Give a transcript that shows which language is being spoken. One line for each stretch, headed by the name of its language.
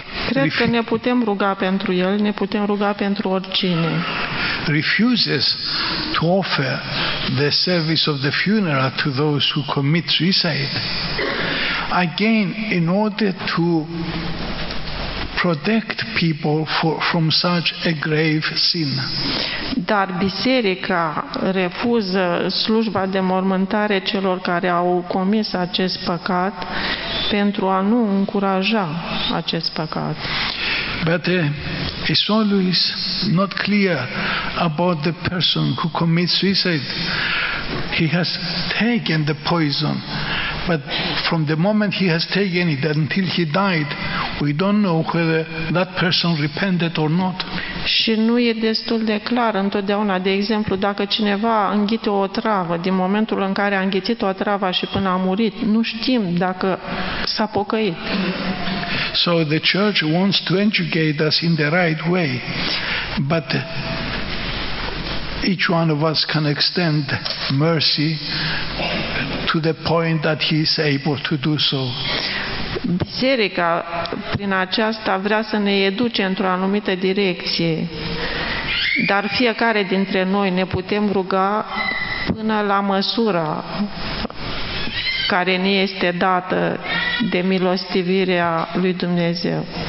Romanian: cred că ne putem ruga pentru el, ne putem ruga pentru oricine.
English: Refuses to offer the service of the funeral to those who commit suicide. Again, in order to protect people from such a grave sin.
Romanian: Dar biserica refuză slujba de mormântare celor care au comis acest păcat pentru a nu încuraja acest păcat.
English: But it's always not clear about the person who commits suicide. He has taken the poison. But from the moment he has taken it until he died, we don't know whether that person repented or not.
Romanian: Și nu e destul de clar întotdeauna. De exemplu, dacă cineva a înghițit o travă, din momentul în care a înghițit o travă și până a murit, nu știm dacă s-a pocăit.
English: So the church wants to educate us in the right way, but each one of us can extend mercy to the point that he is able to do so.
Romanian: Biserica prin aceasta vrea să ne educe într-o anumită direcție, dar fiecare dintre noi ne putem ruga până la măsura care ne este dată de milostivirea lui Dumnezeu.